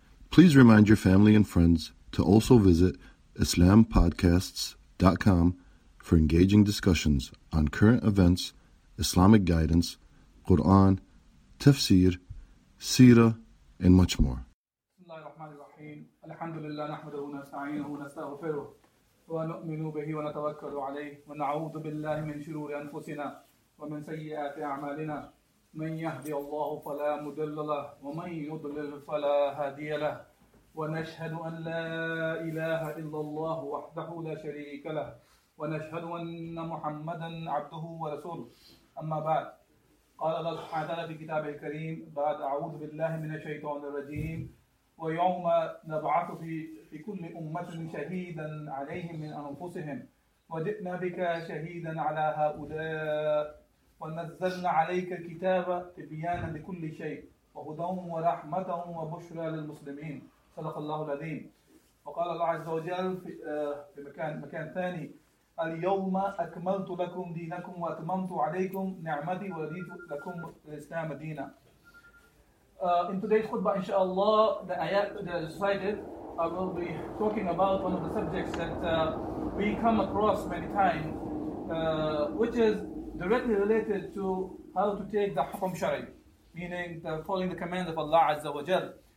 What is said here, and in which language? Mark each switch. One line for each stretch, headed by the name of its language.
English: Please remind your family and friends to also visit IslamPodcasts.com for engaging discussions on current events, Islamic guidance, Qur'an, tafsir, seerah, and much more.
Arabic: الحمد لله نحمده ونستعينه ونستغفره ونؤمن به ونتوكل عليه ونعوذ بالله من شرور أنفسنا ومن سيئات أعمالنا من يهدي الله فلا مضل له ومن يضلل فلا هادي له ونشهد أن لا إله إلا الله وحده لا شريك له ونشهد أن محمدا عبده ورسوله أما بعد قال الله سبحانه وتعالى في كتابه الكريم بعد أعوذ بالله من الشيطان الرجيم ويوم نبعث في كل أمة شهيدا عليهم من أنفسهم وجئنا بك شهيدا على هؤلاء ونزلنا عليك كتابا تبيانا لكل شيء وهدى ورحمة وبشرى للمسلمين صدق الله العظيم وقال الله عز وجل في مكان ثاني اليوم أكملت لكم دينكم وأتممت عليكم نعمتي ورضيت لكم الإسلام دينا.
English: In today's khutbah, inshallah, the ayat that I recited, I will be talking about one of the subjects that we come across many times, which is directly related to how to take the Hukm Shari, meaning the following the commands of Allah Azza wa Jal.